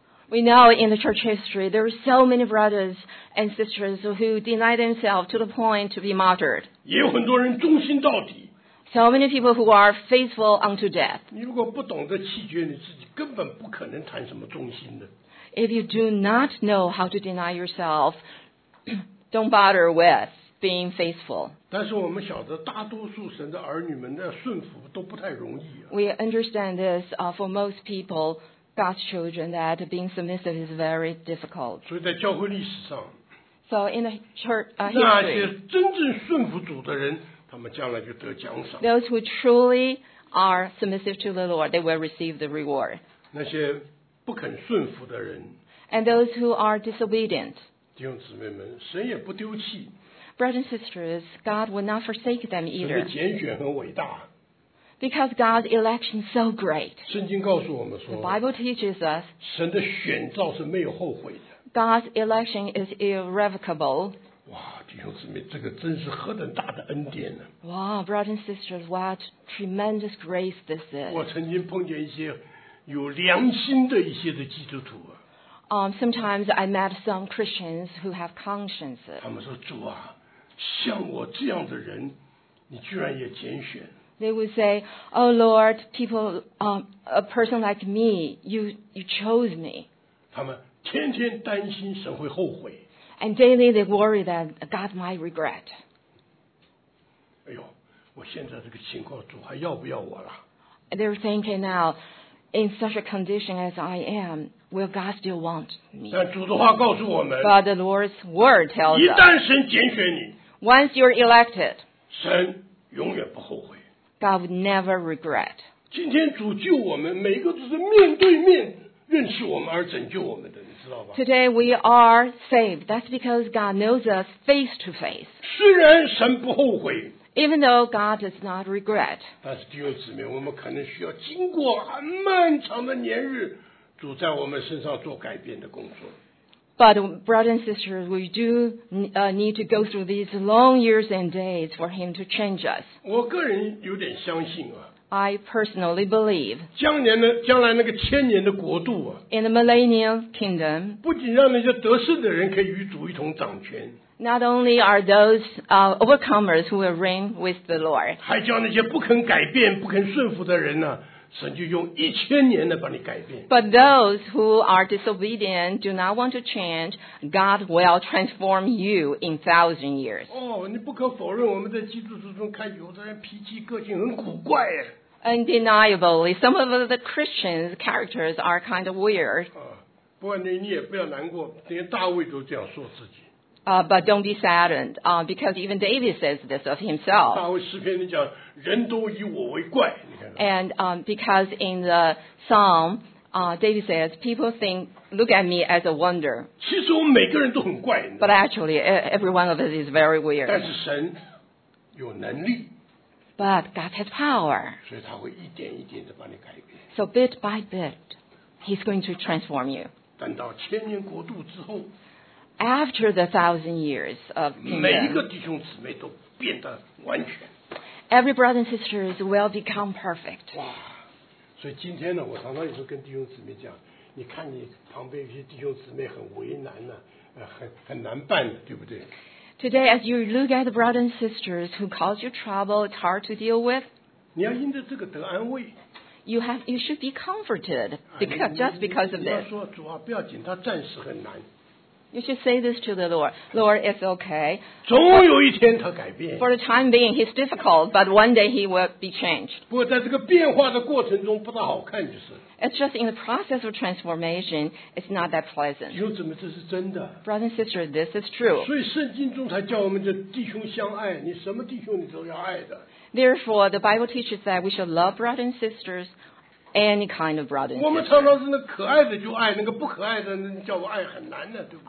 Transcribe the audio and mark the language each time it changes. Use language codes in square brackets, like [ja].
[en] We know in the church history, there are so many brothers and sisters who deny themselves to the point to be martyred. [zh] 也有很多人忠心到底。 [en] So many people who are faithful unto death. [zh] 你如果不懂得弃绝你自己，根本不可能谈什么忠心的。 [en] If you do not know how to deny yourself, don't bother with being faithful. [zh] 但是我们晓得大多数神的儿女们的顺服都不太容易啊。 [en] We understand this, for most people,God's children, that being submissive is very difficult. So, [zh] 在教会历史上 [en] so in the church, history, [zh] 那些真正顺服主的人，他们将来就得奖赏。 [en] Those who truly are submissive to the Lord, they will receive the reward. [zh] 那些不肯顺服的人 [en] and those who are disobedient, [zh] 弟兄姊妹们，神也不丢弃。 [en] Brothers and sisters, God will not forsake them either. [zh] 神的拣选很伟大。 [en] Because God's election is so great. [zh] 圣经告诉我们说 [en] The Bible teaches us [zh] 神的选召是没有后悔的。 [en] God's election is irrevocable. [zh] 哇，弟兄姊妹，这个真是何等大的恩典呢！ [en] 哇 brothers and sisters, what tremendous grace this is. [zh] 我曾经碰见一些有良心的一些的基督徒啊。 [en] Sometimes I met some Christians who have conscience. [zh] 他们说主啊，像我这样的人，你居然也拣选。 [en] They would say, Oh Lord, people, a person like me, you chose me. [zh] 他们天天担心神会后悔。 [en] And daily they worry that God might regret. [zh] 哎呦，我现在这个情况，主还要不要我了？ [en] They're thinking now, in such a condition as I am, will God still want me? [zh] 但主的话告诉我们。 [en] But the Lord's word tells us. [zh] 一旦神拣选你。 [en] Once you're elected. [zh] 神永远不后悔。 [en] God would never regret. [zh] 今天主救我们，每一个都是面对面认识我们而拯救我们的，你知道吧？ [en] Today we are saved. That's because God knows us face to face. [zh] 虽然神不后悔， [en] even though God does not regret. [zh] 但是弟兄姊妹，我们可能需要经过很漫长的年日，主在我们身上做改变的工作。 [en] But brothers and sisters, we do need to go through these long years and days for Him to change us. [zh] 我个人有点相信啊。 [en] I personally believe. [zh] 将来那个千年的国度啊。 [en] In the millennial kingdom. [zh] 不仅让那些得胜的人可以与主一同掌权。 [en] Not only are those overcomers who will reign with the Lord. [zh] 还叫那些不肯改变、不肯顺服的人呢、啊？神就用一千年来把你改变。 [en] But those who are disobedient do not want to change, God will transform you in 1,000 years. [zh] 哦，你不可否认，我们在基督徒中看有的人脾气个性很古怪。 [en] Undeniably, some of the Christians' characters are kind of weird. [zh] 啊，不过你也不要难过，连大卫都这样说自己。 [en] But don't be saddened, because even David says this of himself. [zh] 大卫诗篇里讲，人都以我为怪。 [en] And because in the Psalm, David says, people think, look at me as a wonder. [zh] 其实我们每个人都很怪。 [en] But actually, every one of us is very weird. [zh] 但是神有能力。 [en] But God has power. [zh] 所以他会一点一点地把你改变。 [en] So bit by bit, He's going to transform you. [zh] 等到千年国度之后。 [en] After the 1,000 years of kingdom, [zh] 每一个弟兄姊妹都变得完全。 [en] Every brother and sisters will become perfect. [zh] 哇，所以今天呢，我常常有时候跟弟兄姊妹讲，你看你旁边一些弟兄姊妹很为难呢、啊，很难办的，对不对 [en] ？Today, as you look at the brothers and sisters who cause you trouble, it's hard to deal with. [zh] 你要因着这个得安慰。 [en] You should be comforted because just because of this. [zh] 你要说主啊，不要紧，他暂时很难。 [en] You should say this to the Lord. Lord, it's okay. [zh] 总有一天他改变。 [en] For the time being, he's difficult, but one day he will be changed. [zh] 不过在这个变化的过程中不大好看就是。 [en] It's just in the process of transformation, it's not that pleasant. [zh] 弟兄姊妹，这是真的。 [en] Brother and sister, this is true. [zh] 所以圣经中才叫我们这弟兄相爱，你什么弟兄你都要爱的。 [en] Therefore, the Bible teaches that we should love brothers and sisters, any kind of brother and sister. [zh] 我们常常是那可爱的就爱，那个不可爱的那叫我爱很难的，对不对？